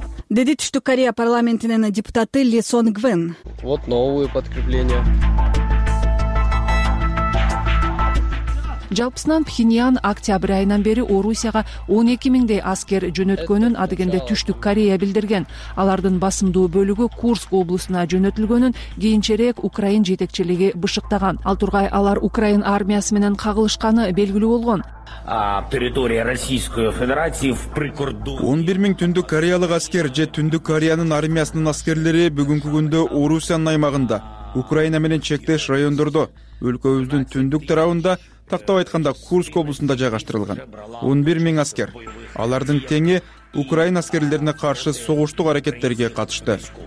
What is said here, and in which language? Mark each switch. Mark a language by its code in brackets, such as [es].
[ky] Деди Түштүк Корея парламентинин депутаты Ли Сон Гвен. [ru] Вот новые подкрепления. [ky] Жалпысынан Пхеньян октябрь айынан бери Орусияга 12,000 аскер жөнөткөнүн адегенде Түштүк Корея билдирген. Алардын басымдуу бөлүгү Курск облусуна жөнөтүлгөнүн кийинчерээк Украин жетекчилиги бышыктаган. Ал тургай алар Украин армиясы менен кагылышканы белгилүү болгон. [ru] Территория Российской Федерации в прикордоне. [ky] 11,000 Түндүк Кореялык аскер же Түндүк Кореянын армиясынын аскерлери бүгүнкү күндө Орусиянын аймагында, Украина менен чектеш райондордо, өлкөбүздүн түндүк тарабында, тактап айтканда Курск облусунда жайгаштырылган 11,000 аскер. Алардын теңи Украин аскерлерине каршы согуштук аракеттерге катышты.